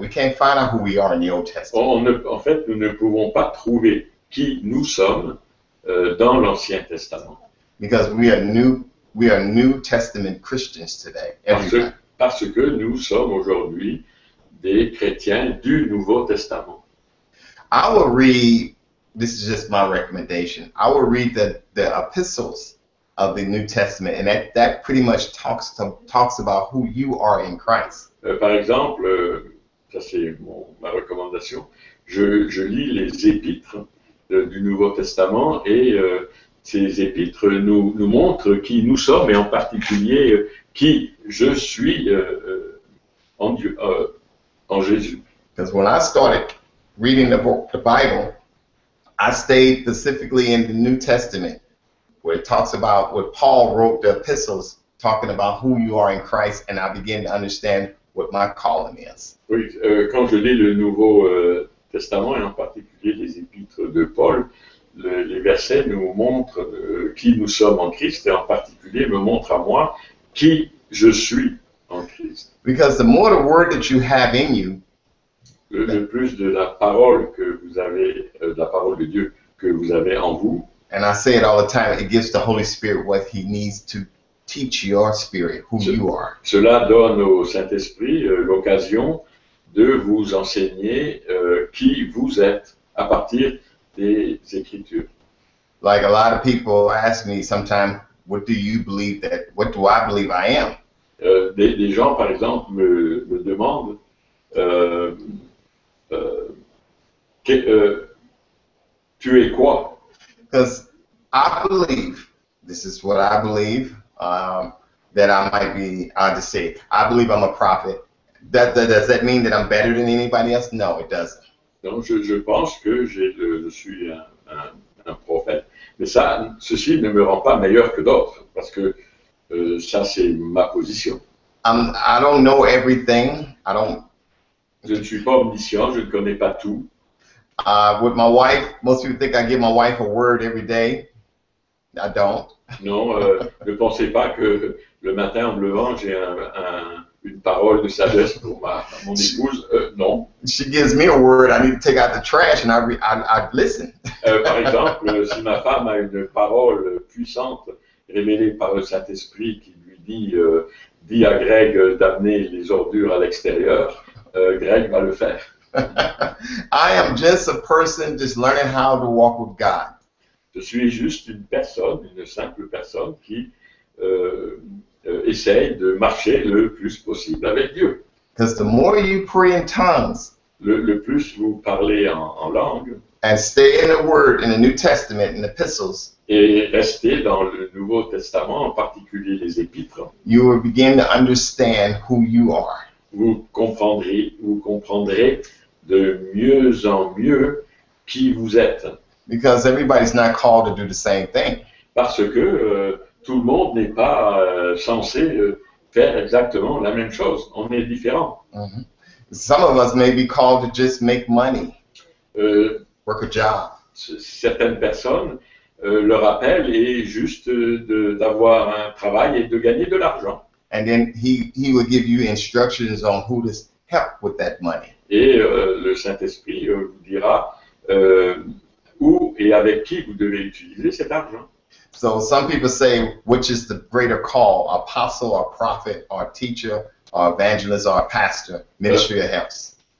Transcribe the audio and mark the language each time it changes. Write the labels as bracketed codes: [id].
[en] We can't find out who we are in the Old Testament. [fr] En fait, nous ne pouvons pas trouver qui nous sommes dans l'Ancien Testament. [en] Because we are New Testament Christians today. [fr] Parce que nous sommes aujourd'hui des chrétiens du Nouveau Testament. [en] I will read, this is just my recommendation, I will read the epistles of the New Testament, and that pretty much talks about who you are in Christ. [fr] Par exemple, ça c'est ma recommandation, je lis les épîtres du Nouveau Testament et ces épîtres nous montrent qui nous sommes et en particulier qui je suis en Dieu, en Jésus. [en] Because when I started reading the Bible, I stayed specifically in the New Testament, where it talks about what Paul wrote the epistles talking about who you are in Christ, and I begin to understand what my calling is. [fr] Oui, quand je lis le Nouveau Testament, et en particulier les épîtres de Paul, les versets nous montrent qui nous sommes en Christ, et en particulier me montrent à moi qui je suis en Christ. [en] Because the more the word that you have in you, [fr] le plus de la parole que vous avez, de la parole de Dieu que vous avez en vous, [en] and I say it all the time, it gives the Holy Spirit what he needs to teach your spirit, who you are. [fr] Cela donne au Saint-Esprit l'occasion de vous enseigner qui vous êtes à partir des Écritures. [en] Like a lot of people ask me sometimes, what do you believe that, what do I believe I am? [fr] Des gens, par exemple, me demandent, tu es quoi? [en] Because I believe, this is what I believe, that I might be, I'll just say, I believe I'm a prophet. Does that mean that I'm better than anybody else? No, it doesn't. [fr] Donc, je pense que je suis un prophète. Mais ça, ceci ne me rend pas meilleur que d'autres, parce que ça, c'est ma position. [en] I don't know everything. [fr] Je ne suis pas omniscient, je ne connais pas tout. [en] With my wife, most people think I give my wife a word every day. I don't. [fr] Non, ne pensez pas que le matin en me levant, j'ai une parole de sagesse pour mon épouse. Non. [en] She gives me a word, I need to take out the trash and I listen. [fr] Par exemple, si ma femme a une parole puissante révélée par le Saint-Esprit qui lui dit à Greg d'amener les ordures à l'extérieur, Greg va le faire. [en] I am just a person just learning how to walk with God. [fr] Je suis juste une personne, une simple personne qui essaye de marcher le plus possible avec Dieu. [en] Because the more you pray in tongues, [fr] le plus vous parlez en langue, [en] and stay in the Word, in the New Testament, in the epistles, [fr] et rester dans le Nouveau Testament, en particulier les Épîtres, [en] you will begin to understand who you are. [fr] Vous comprendrez de mieux en mieux qui vous êtes. [en] Because everybody's not called to do the same thing. [fr] Parce que tout le monde n'est pas censé faire exactement la même chose. On est différent. Mm-hmm. [en] Some of us may be called to just make money, work a job. [fr] Certaines personnes, leur appel est juste d'avoir un travail et de gagner de l'argent. [en] And then he will give you instructions on who to help with that money. [fr] Et le Saint-Esprit vous dira où et avec qui vous devez utiliser cet argent. [en] So some people say, which is the greater call, apostle or prophet or teacher or evangelist or pastor, ministry or health?